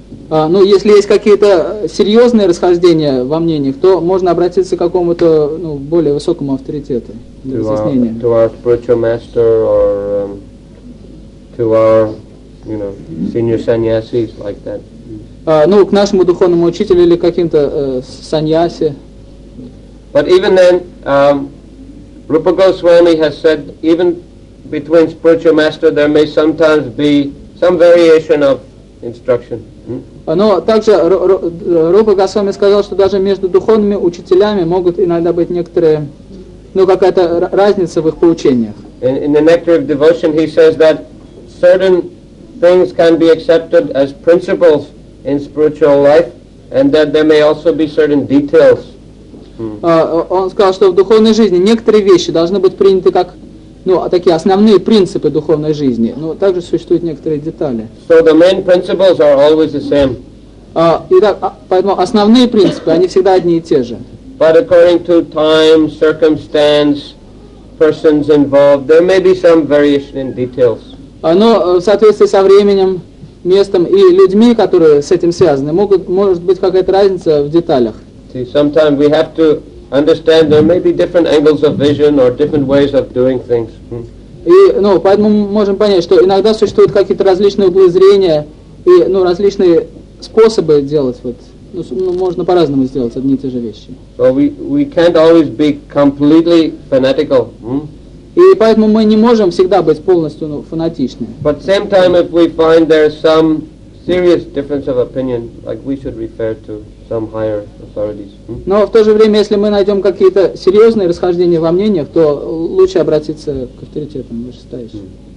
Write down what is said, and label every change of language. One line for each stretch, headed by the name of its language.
Russian: Ну, если есть какие-то серьезные расхождения во мнениях, то можно обратиться к какому-то, ну, более высокому авторитету для разъяснения.
English: To our spiritual master or to our, you know, senior sannyasis like that.
Russian: Ну, к нашему духовному учителю или каким-то саньяси.
English: But even then, Rupa Goswami has said, even between spiritual master, there may sometimes be some variation of instruction.
Russian: Но также Рупа Госвами сказал, что даже между духовными учителями могут иногда быть некоторые, ну, какая-то разница в их поучениях.
English: In the Nectar of Devotion he says that certain things can be accepted as principles in spiritual life, and that there may also be certain details.
Russian: Он сказал, что в духовной жизни некоторые вещи должны быть приняты как, ну, такие основные принципы духовной жизни, но также существуют некоторые детали.
English: So the main principles are always the same.
Russian: Итак, поэтому основные принципы, они всегда одни и те же.
English: But according to time, circumstance, persons involved, there may be some variation in details.
Russian: Но в соответствии со временем, местом и людьми, которые с этим связаны, может быть какая-то разница в деталях.
English: See, sometimes we have to understand there may be different angles of vision or different ways of doing things.
Russian: И, ну, поэтому мы можем понять, что иногда существуют какие-то различные углы зрения и, ну, различные способы делать вот. Ну, можно по-разному сделать одни и те же вещи.
English: So we can't always be completely fanatical.
Russian: И поэтому мы не можем всегда быть полностью, ну, фанатичны.
English: But same time, if we find there's some serious difference of opinion, like we should refer to some higher authorities. Hmm?
Russian: Но в то же время, если мы найдем какие-то серьезные расхождения во мнениях, то лучше обратиться к авторитетам вышестоящим.